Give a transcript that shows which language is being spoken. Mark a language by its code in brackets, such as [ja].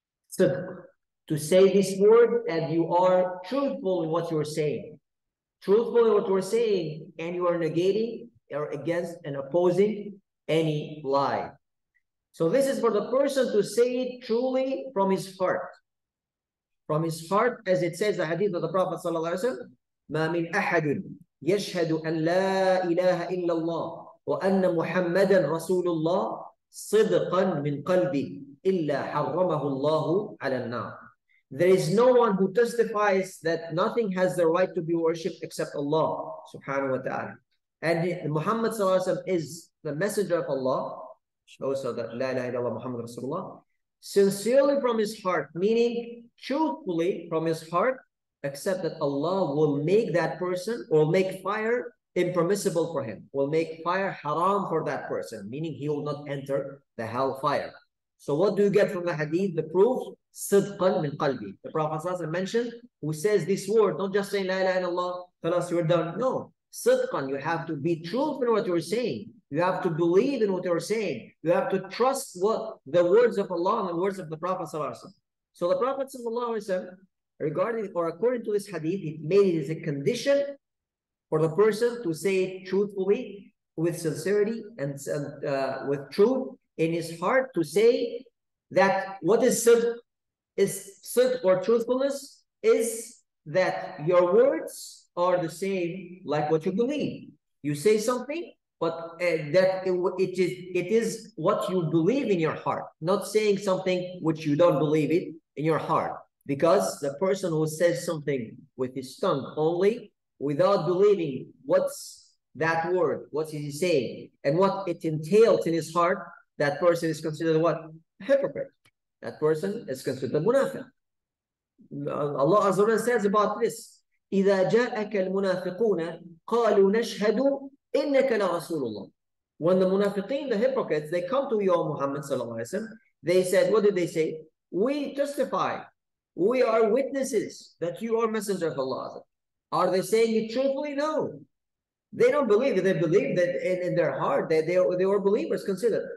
[en] صدق, to say this word and you are truthful in what you are saying. Truthful in what you are saying and you are negating or against and opposing any lie. So this is for the person to say it truly from his heart. From his heart, as it says, the hadith of the Prophet sallallahu alaihi wasallam, [ar] ما من أحد يشهد أن لا إله إلا الله وأن محمدا رسول الله صدقا من قلبي إلا حرمه الله على النار. [en] There is no one who testifies that nothing has the right to be worshipped except Allah subhanahu wa ta'ala. And Muhammad sallallahu alaihi wasallam is the messenger of Allah. Also that [ar] لا إله إلا الله محمد رسول الله. [en] Sincerely from his heart, meaning truthfully from his heart, except that Allah will make that person, or make fire impermissible for him, will make fire haram for that person, meaning he will not enter the hell fire. So what do you get from the hadith? The proof, [ar] صدقًا من قلبي. [en] The Prophet ﷺ mentioned, who says this word, not just saying la ilaha illallah, tell us you're done. No, صدقًا, you have to be truthful in what you're saying. You have to believe in what they are saying. You have to trust what the words of Allah and the words of the Prophet ﷺ. So the Prophet ﷺ, regarding or according to this hadith, he made it as a condition For the person to say it truthfully, with sincerity and with truth in his heart, to say that what is sidq, is sidq or truthfulness, is that your words are the same like what you believe. You say something, but it is what you believe in your heart, not saying something which you don't believe it in your heart. Because the person who says something with his tongue only, without believing what's that word, what is he saying, and what it entails in his heart, that person is considered what? Hypocrite. That person is considered munafiq. Allah Azza wa Jalla says about this, [ar] إِذَا جَاءَكَ الْمُنَافِقُونَ قَالُوا نَشْهَدُ إِنَّكَ لَرَسُولُ اللَّهِ. [en] When the munafiqeen, the hypocrites, they come to your Muhammad sallallahu alayhi wa sallam, they said, what did they say? We testify, we are witnesses that you are messenger of Allah. Are they saying it truthfully? No. They don't believe it. They believe that in their heart, that they were believers considered.